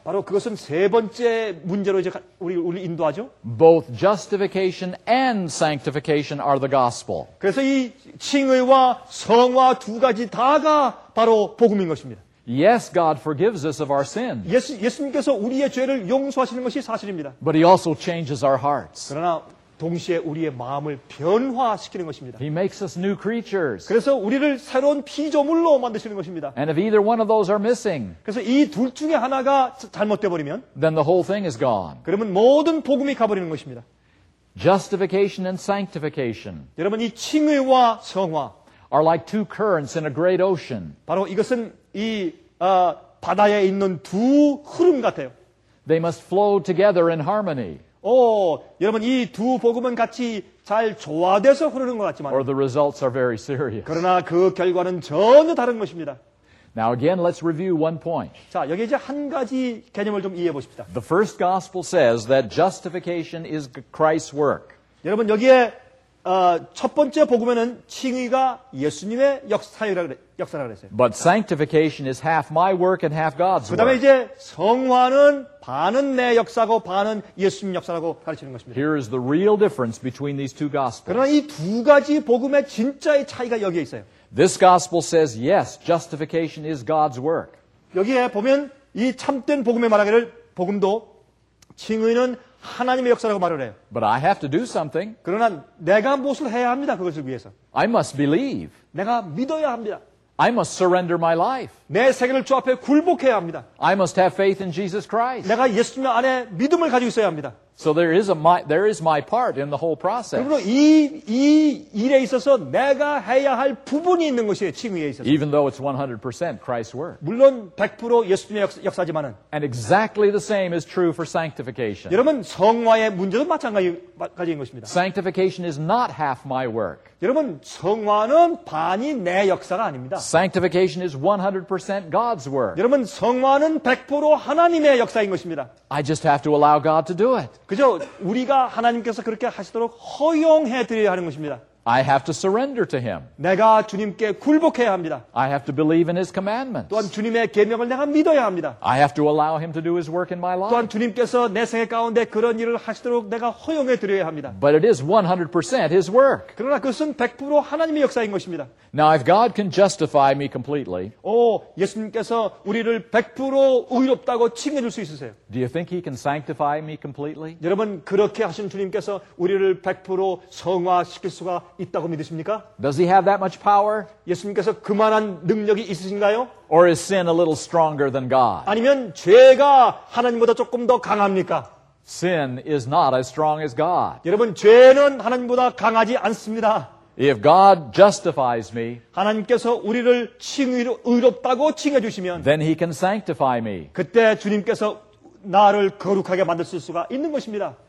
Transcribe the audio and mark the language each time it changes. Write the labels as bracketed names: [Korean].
[Korean] 바로 그것은 세 번째 문제로 이제 우리 인도하죠. [English] Both justification and sanctification are the gospel. [Korean] 그래서 이 칭의와 성화 두 가지 다가 바로 복음인 것입니다. [English] Yes, God forgives us of our sins. [Korean] 예수님께서 우리의 죄를 용서하시는 것이 사실입니다. [English] But He also changes our hearts. [Korean] 그러나 동시에 우리의 마음을 변화시키는 것입니다. [English] He makes us new creatures. [Korean] 그래서 우리를 새로운 피조물로 만드시는 것입니다. [English] And if either one of those are missing, [Korean] 그래서 이 둘 중에 하나가 잘못돼 버리면, [English] then the whole thing is gone. [Korean] 그러면 모든 복음이 가버리는 것입니다. [English] Justification and sanctification. [Korean] 여러분 이 칭의와 성화 [English] are like two currents in a great ocean. [Korean] 바로 이것은 이 바다에 있는 두 흐름 같아요. [English] They must flow together in harmony. [Korean] 오, 여러분 이 두 복음은 같이 잘 조화돼서 흐르는 것 같지만. [English] Or the results are very serious. [Korean] 그러나 그 결과는 전혀 다른 것입니다. [English] Now again, let's review one point. [Korean] 자, 여기 이제 한 가지 개념을 좀 이해해 보십시다. [English] The first gospel says that justification is Christ's work. [Korean] 여러분 여기에 첫 번째 복음에는 칭의가 예수님의 역사라고 했어요. [English] But sanctification is half my work and half God's work. [Korean] 그 다음에 이제 성화는 반은 내 역사고 반은 예수님 역사라고 가르치는 것입니다. [English] Here is the real difference between these two gospels. [Korean] 그러나 이 두 가지 복음의 진짜의 차이가 여기에 있어요. [English] This gospel says, yes, justification is God's work. [Korean] 여기에 보면 이 참된 복음에 말하기를 복음도 칭의는 하나님의 역사라고 말을 해요. [English] But I have to do something. [Korean] 그러나 내가 무엇을 해야 합니다. 그것을 위해서. [English] I must believe. [Korean] 내가 믿어야 합니다. [English] I must surrender my life. [Korean] 내 생애를 주 앞에 굴복해야 합니다. [English] I must have faith in Jesus Christ. [Korean] 내가 예수님 안에 믿음을 가지고 있어야 합니다. [English] So there is my part in the whole process. [Korean] 그리고 이 일에 있어서 내가 해야 할 부분이 있는 것이에요, 칭의에 있어서. [English] Even though it's 100% Christ's work. [Korean] 물론 100% 예수님의 역사지만은. [English] And exactly the same is true for sanctification. [Korean] 여러분 성화의 문제도 마찬가지인 것입니다. [English] Sanctification is not half my work. [Korean] 여러분 성화는 반이 내 역사가 아닙니다. [English] Sanctification is 100% God's work. [Korean] 여러분 성화는 100% 하나님의 역사인 것입니다. [English] I just have to allow God to do it. [Korean] 그죠? 우리가 하나님께서 그렇게 하시도록 허용해 드려야 하는 것입니다. [English] I have to surrender to him. [Korean] 내가 주님께 굴복해야 합니다. [English] I have to believe in his commandments. [Korean] 또한 주님의 계명을 내가 믿어야 합니다. [English] I have to allow him to do his work in my life. [Korean] 또한 주님께서 내 생애 가운데 그런 일을 하시도록 내가 허용해 드려야 합니다. [English] But it is 100% his work. [Korean] 그러나 그것은 100% 하나님의 역사인 것입니다. [English] Now if God can justify me completely. [Korean] 오, 예수님께서 우리를 100% 의롭다고 칭해 줄 수 있으세요? [English] Do you think he can sanctify me completely? [Korean] 여러분 그렇게 하신 주님께서 우리를 100% 성화시킬 수가 있다고 믿으십니까? [English] Does he have that much power? [Korean] 예수님께서 그만한 능력이 있으신가요? [English] Or is sin a little stronger than God? [Korean] 아니면 죄가 하나님보다 조금 더 강합니까? [English] Sin is not as strong as God. [Korean] 여러분 죄는 하나님보다 강하지 않습니다. [English] If God justifies me, [Korean] 하나님께서 우리를 칭의로 의롭다고 칭해 주시면, [English] then he can sanctify me. [Korean] 그때 주님께서 나를 거룩하게 만드실 수가 있는 것입니다.